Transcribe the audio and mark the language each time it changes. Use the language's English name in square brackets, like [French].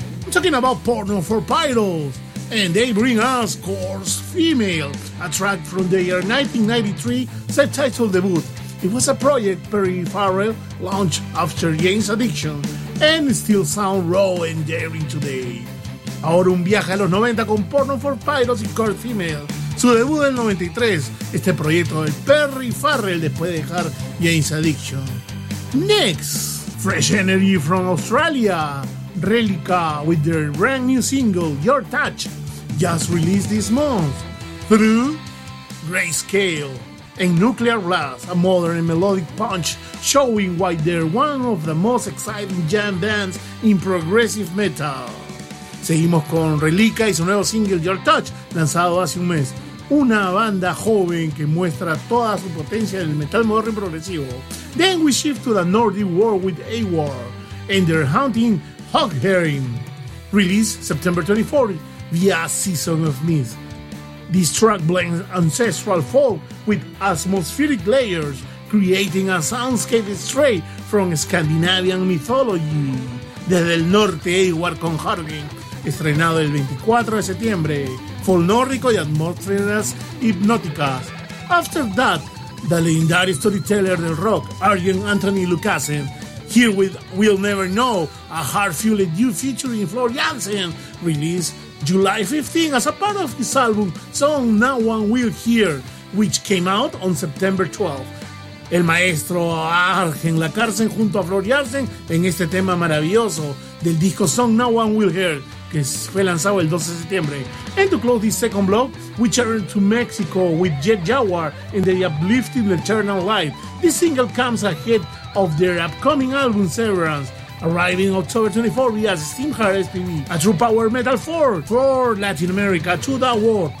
[English] I'm talking about Porno for Pyros, and they bring us Coarse Female, a track from their 1993 self-titled debut. It was a project Perry Farrell launched after Jane's addiction, and still sound raw and daring today. [Spanish] Ahora un viaje a los 90 con Porno for Pyros y Coarse Female. Su debut en 93, este proyecto de Perry Farrell después de dejar Jane's Addiction. [English] Next, Fresh Energy from Australia, Relica with their brand new single, Your Touch, just released this month, through Grayscale and Nuclear Blast, a modern and melodic punch showing why they're one of the most exciting jam bands in progressive metal. [Spanish] Seguimos con Relica y su nuevo single, Your Touch, lanzado hace un mes. Una banda joven que muestra toda su potencia en el metal moderno y progresivo. [English] Then we shift to the Nordic world with A-War and their haunting Hog Herring, released September 24 via Season of Mist. This track blends ancestral folk with atmospheric layers, creating a soundscape straight from Scandinavian mythology. [Spanish] Desde el Norte, A-War con Herring, estrenado el 24 de septiembre. Folnórico y atmósferas hipnóticas. [English] After that, the legendary storyteller [Spanish] del rock, [English] Arjen Anthony Lucassen, here with We'll Never Know, a heart-fueled new featuring Flor Jansen, released July 15 as a part of his album Song No One Will Hear, which came out on September 12. [Spanish] El maestro Arjen Lucassen junto a Flor Jansen en este tema maravilloso del disco Song No One Will Hear, que fue lanzado el 12 de septiembre. [English] And to close this second block, we turn to Mexico with Jet Jaguar and their uplifting Eternal Life. This single comes ahead of their upcoming album Severance, arriving October 24 via Steamheart SPV, a true power metal force for Latin America to the world.